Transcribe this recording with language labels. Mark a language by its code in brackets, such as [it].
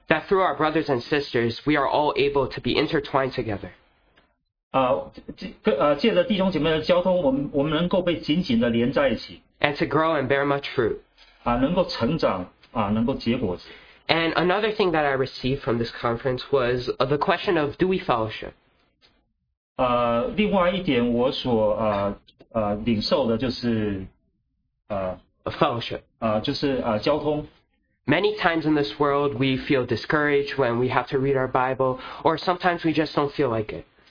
[en] That through our brothers and sisters, we are all able to be intertwined together. [zh] 借着弟兄姐妹的交通，我们能够被紧紧地连在一起。 [en] And to grow and bear much fruit. [zh] 能够成长，能够结果子。 [en] And another thing that I received from this conference was the question of, do we fellowship? [zh] 另外一点我所领受的就是交通。 [en] Many times in this world, we feel discouraged when we have to read our Bible, or sometimes we just don't feel like it.